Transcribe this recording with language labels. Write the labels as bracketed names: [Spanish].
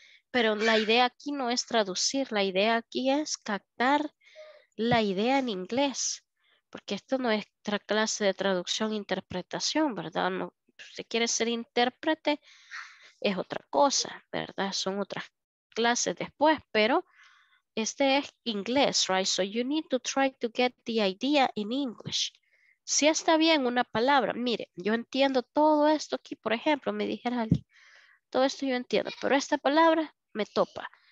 [Spanish] Pero la idea aquí no es traducir, la idea aquí es captar la idea en inglés. Porque esto no es otra clase de traducción e interpretación, ¿verdad? No, si quiere ser intérprete, es otra cosa, ¿verdad? Son otras clases después, pero este es inglés, right? [English] So you need to try to get the idea in English. [Spanish] Si está bien una palabra, mire, yo entiendo todo esto aquí, por ejemplo, me dijera alguien, todo esto yo entiendo, pero esta palabra me topa.